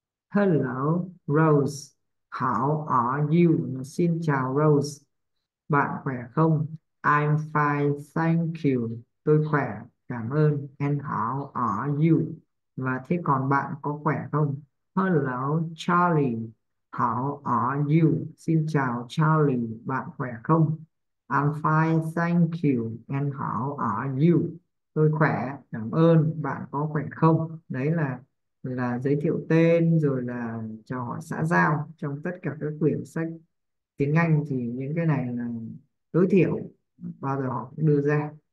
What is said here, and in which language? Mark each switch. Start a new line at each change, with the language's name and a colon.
English: Hello Rose, how are you?
Vietnamese: Xin chào Rose, bạn khỏe không?
English: I'm fine, thank you.
Vietnamese: Tôi khỏe, cảm ơn.
English: And how are you?
Vietnamese: Và thế còn bạn có khỏe không?
English: Hello Charlie, how are you?
Vietnamese: Xin chào Charlie, bạn khỏe không?
English: I'm fine, thank you. And how are you?
Vietnamese: Tôi khỏe, cảm ơn. Bạn có khỏe không? Đấy là giới thiệu tên rồi là chào hỏi xã giao. Trong tất cả các quyển sách tiếng Anh thì những cái này là tối thiểu bao giờ họ cũng đưa ra.